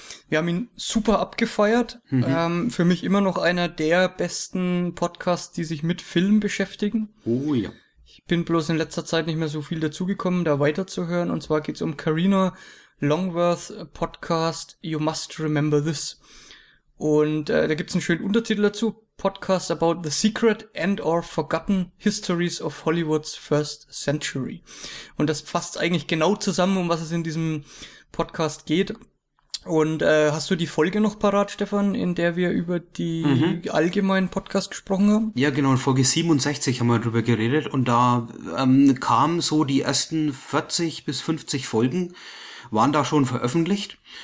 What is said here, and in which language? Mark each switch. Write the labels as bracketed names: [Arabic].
[German] Wir haben ihn super abgefeiert. Mhm. Für mich immer noch einer der besten Podcasts, die sich mit Filmen beschäftigen. Oh ja. Ich bin bloß in letzter Zeit nicht mehr so viel dazugekommen, da weiterzuhören. Und zwar geht's um Carina Longworth Podcast You Must Remember This. Und da gibt's einen schönen Untertitel dazu. [English] Podcast about the secret and or forgotten histories of Hollywood's first century. [German] Und das fasst eigentlich genau zusammen, um was es in diesem Podcast geht. Und hast du die Folge noch parat, Stefan, in der wir über die allgemeinen Podcast gesprochen haben? Ja, genau, in Folge 67 haben wir darüber geredet. Und da kamen so die ersten 40 bis 50 Folgen, waren da schon veröffentlicht.